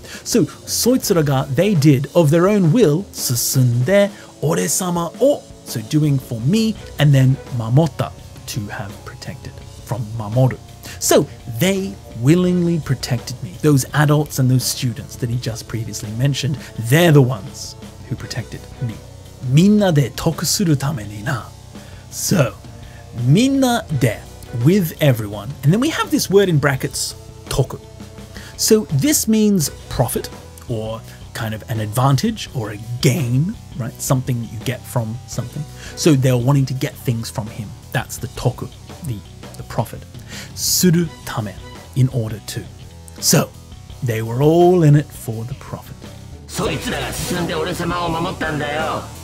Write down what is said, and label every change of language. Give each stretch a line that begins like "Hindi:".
English: So,
Japanese: そいつらが,
English: they did, of their own will,
Japanese: 進んで、俺様を,
English: so doing for me, and then
Japanese: 守った,
English: to have protected, from 守る. So, they willingly protected me. Those adults and those students that he just previously mentioned, they're the ones who protected me.
Japanese: みんなで得するためにな。
English: So,
Japanese: みんなで
English: with everyone. And then we have this word in brackets, 得. So this means profit or kind of an advantage or a gain, right? Something you get from something. So they're wanting to get things from him. That's the 得, the profit.
Japanese: するため,
English: in order to. So, they were all in it for the profit.
Japanese: そいつらが進んで俺様を守ったんだよ。